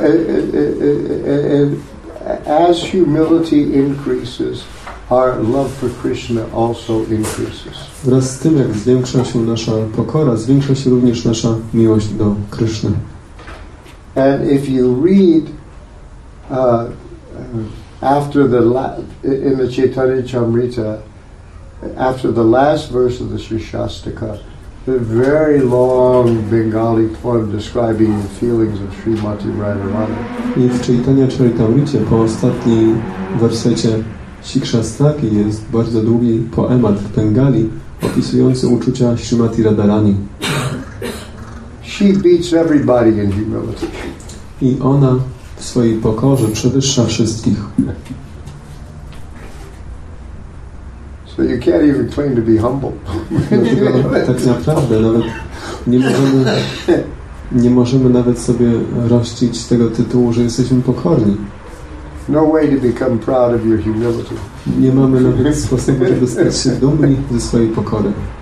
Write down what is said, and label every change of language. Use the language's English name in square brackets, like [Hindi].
[English] As humility increases, our love for Krishna also increases. [Polish] Wraz z tym, jak zwiększa się nasza pokora, zwiększa się również nasza miłość do Kryszny. [English] And if you read after the in the Chaitanya Charita, after the last verse of the Shishastika, the very long Bengali poem describing the feelings of Srimati Radharani. [Polish] I w Chaitanya Charitamrita po ostatnim wersecie Shikshastaki jest bardzo długi poemat w Bengali opisujący uczucia Srimati Radharani. [English] She beats everybody in humility. [Polish] I ona w swojej pokorze przewyższa wszystkich. [English] So you can't even claim to be humble. [Polish] Tak naprawdę nawet nie możemy nawet sobie rościć tego tytułu, że jesteśmy pokorni. [English] No way to become proud of your humility. [Polish] Nie mamy nawet sposobu, żeby stać się dumni ze swojej pokory.